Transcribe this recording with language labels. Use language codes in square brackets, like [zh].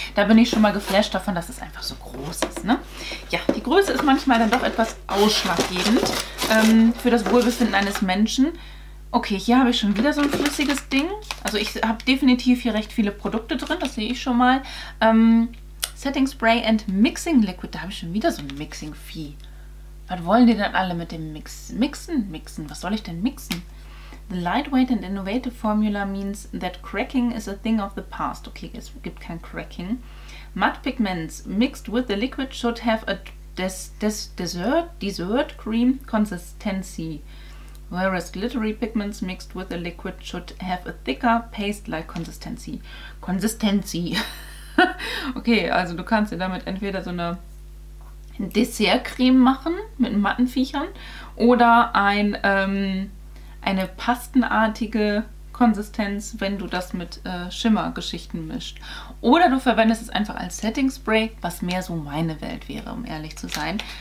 [de] Da bin ich schon mal geflasht davon, dass es einfach so groß ist, ne? Ja, die Größe ist manchmal dann doch etwas ausschlaggebend für das Wohlbefinden eines Menschen. Okay, hier habe ich schon wieder so ein flüssiges Ding. Also ich habe definitiv hier recht viele Produkte drin, das sehe ich schon mal. Setting Spray and Mixing Liquid, da habe ich schon wieder so ein Mixing-Vieh. Was wollen die denn alle mit dem Mixen? Mixen, was soll ich denn mixen? [en] The lightweight and innovative formula means that cracking is a thing of the past. [de] Okay, es gibt kein Cracking. [en] Matte Pigments mixed with the liquid should have a dessert cream consistency. Whereas glittery pigments mixed with a liquid should have a thicker paste-like consistency. Consistency. [de] Okay, also du kannst dir damit entweder so eine Dessertcreme machen mit matten Viechern oder eine pastenartige Konsistenz, wenn du das mit Schimmergeschichten mischt. Oder du verwendest es einfach als Setting Spray, was mehr so meine Welt wäre, um ehrlich zu sein.